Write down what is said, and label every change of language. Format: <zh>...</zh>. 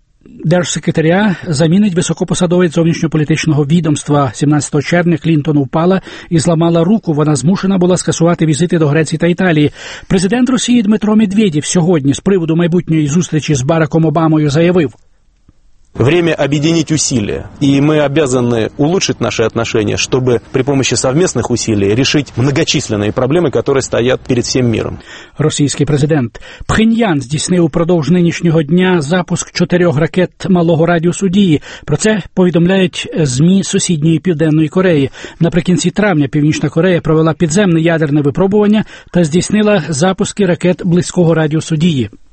<uk>Держсекретаря замінить високопосадовець зовнішньополітичного відомства. 17 червня Клінтон упала і зламала руку. Вона змушена була скасувати візити до Греції та Італії. Президент Росії Дмитро Медведєв сьогодні з приводу майбутньої зустрічі з Бараком Обамою заявив:</uk> <ru>время объединить усилия, и мы обязаны улучшить наши отношения, чтобы при помощи совместных усилий решить многочисленные проблемы, которые стоят перед всем миром.</ru> <uk>Російський президент. Пхеньян здійснив упродовж нинішнього дня запуск 4 ракет малого радіусу дії. Про це повідомляють ЗМІ сусідньої Південної Кореї. Наприкінці травня Північна Корея провела підземне ядерне випробування та здійснила запуски ракет близького радіусу дії.</uk>